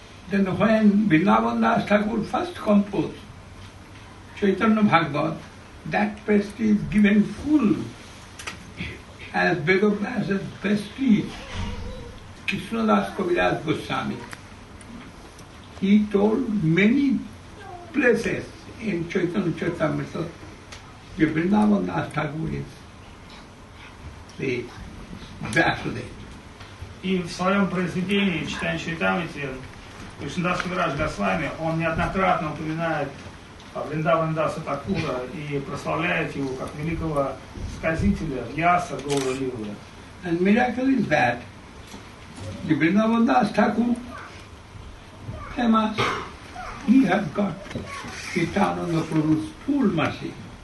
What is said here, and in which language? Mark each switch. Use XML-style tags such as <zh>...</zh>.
<en>Then when Vrindavan Das Thakur first composed Chaitanya Bhagavat, that prestige is given full as Vedavyasa's prestige, Krishna Das Kaviraj Goswami. He told many places in Chaitanya Charitamrita, the Vrindavan Das Thakur is the Vyasadeva.</en> <ru>In своем произведении Чайтанья Чаритамрита, Кришна Дас Кавираж Госвами, он неоднократно упоминает Вриндаван Даса Такура и прославляет его как великого сказителя Вьяса Гаура Лилы.</ru> <en>And miracle is that the Vrindavan Das Thakur famous, he has got Chaitanya Prabhu's full mercy.</en>